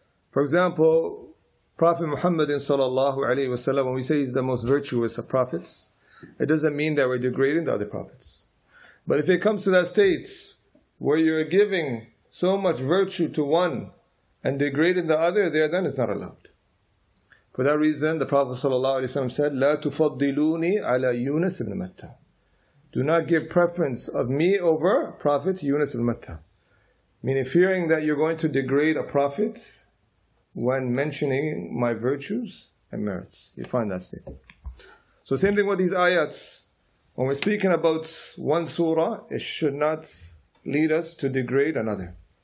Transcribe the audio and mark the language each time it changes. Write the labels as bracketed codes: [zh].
[en] For example, Prophet Muhammad sallallahu alaihi wasallam, when we say he's the most virtuous of prophets, it doesn't mean that we're degrading the other prophets. But if it comes to that state where you're giving so much virtue to one and degrading the other, there then it's not allowed. For that reason, the Prophet ﷺ said, [ar] لا تفضلوني على يونس بن متى. [en] do not give preference of me over Prophet Yunus al-Matta. Meaning fearing that you're going to degrade a prophet when mentioning my virtues and merits. You find that statement. So same thing with these ayats. When we're speaking about one surah, it should not lead us to degrade another.